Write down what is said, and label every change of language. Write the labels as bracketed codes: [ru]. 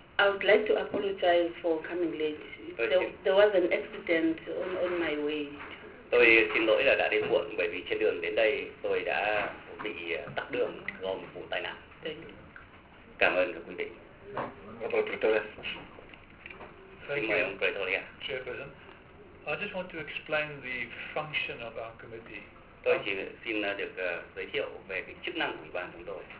[en] I would like to apologize for coming late. There was an accident on my way. [vi] Tôi xin lỗi là đã đến muộn, bởi vì trên đường đến đây tôi đã bị tắc đường do một vụ tai nạn. Cảm ơn các quý vị. [en] Chairperson, I just want to explain the function of our committee. [vi] Tôi chỉ xin được giới thiệu về cái chức năng của ủy ban chúng tôi.